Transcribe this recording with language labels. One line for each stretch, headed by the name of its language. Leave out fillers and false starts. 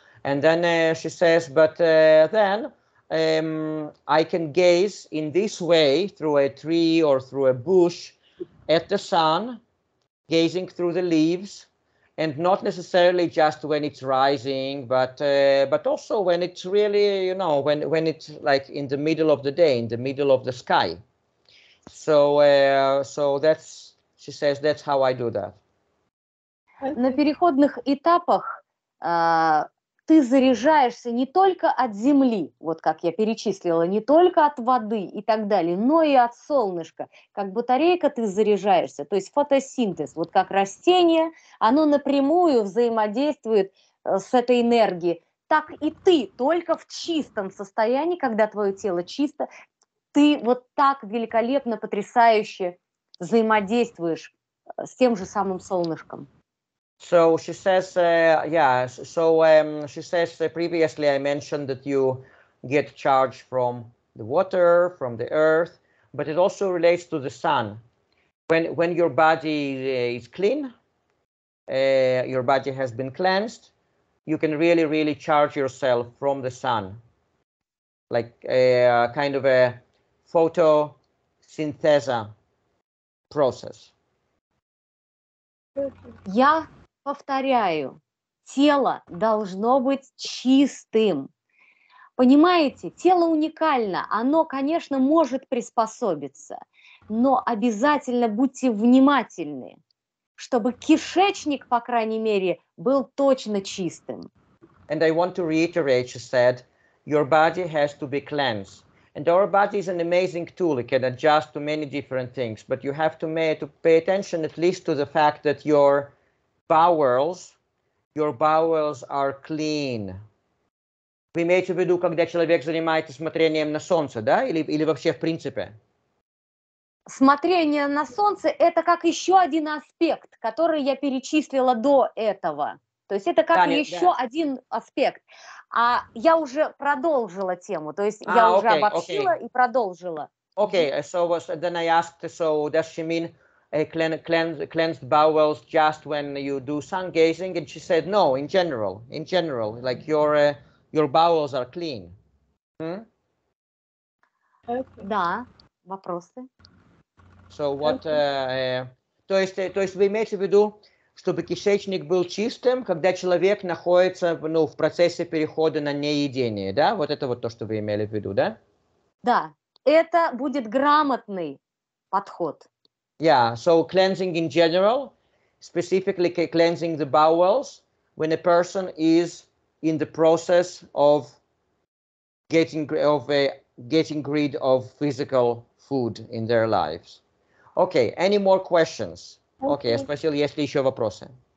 English: And then she says, but then I can gaze in this way through a tree or through a bush at the sun, gazing through the leaves, and not necessarily just when it's rising, but also when it's really, you know, when it's like in the middle of the day, in the middle of the sky. So that's, she says, that's how I do that.
Russian: На переходных этапах ты заряжаешься не только от земли, вот как я перечислила, не только от воды и так далее, но и от солнышка. Как батарейка ты заряжаешься, то есть фотосинтез, вот как растение, оно напрямую взаимодействует с этой энергией. Так и ты только в чистом состоянии, когда твое тело чисто, ты вот так великолепно, потрясающе взаимодействуешь с тем же самым солнышком.
English: So she says, yeah, so she says, previously I mentioned that you get charge from the water, from the earth, but it also relates to the sun. When your body is clean, your body has been cleansed, you can really, really charge yourself from the sun, like a kind of a photosynthesa process. Yeah.
Russian: Повторяю, тело должно быть чистым. Понимаете, тело уникально, оно, конечно, может приспособиться, но обязательно будьте внимательны, чтобы кишечник, по крайней мере, был точно чистым.
English: And I want to reiterate, she said, your body has to be cleansed. And our body is an amazing tool. It can adjust to many different things, but you have to pay attention at least to the fact that your bowels, your bowels are clean.
Russian: Вы имеете в виду, когда человек занимается смотрением на солнце, да? Или вообще в принципе? Смотрение на солнце – это как еще один аспект, который я перечислила до этого. То есть это как один аспект. А я уже продолжила тему. То есть я уже обобщила и продолжила.
English: Okay, then I asked, so does she mean cleansed bowels just when you do sun gazing, and she said no, in general, like your bowels are clean.
Russian: Да, вопросы.
English: So what?
Russian: То есть вы имеете в виду, чтобы кишечник был чистым, когда человек находится в процессе перехода на неедение, да? Вот это вот то, что вы имели в виду, да? Да, это будет грамотный подход.
English: Yeah, so cleansing in general, specifically cleansing the bowels when a person is in the process of getting rid of physical food in their lives. Okay, any more questions? Okay, especially
Russian: если еще вопросы.